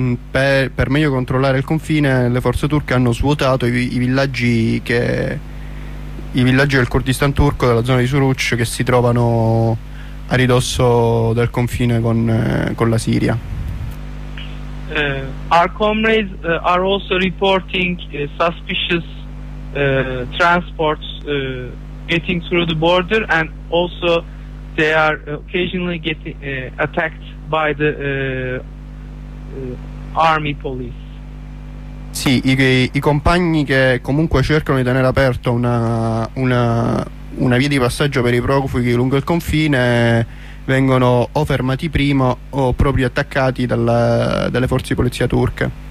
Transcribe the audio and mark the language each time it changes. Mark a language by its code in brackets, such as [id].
[it] Per meglio controllare il confine, le forze turche hanno svuotato i villaggi del Kurdistan turco, della zona di Suruç, che si trovano a ridosso del confine con la Siria. [en] Our comrades are also reporting suspicious transports getting through the border, and also they are occasionally getting attacked by the army police. [it] Sì, Sì, i compagni che comunque cercano di tenere aperta una via di passaggio per i profughi lungo il confine vengono o fermati prima o proprio attaccati dalle forze di polizia turche.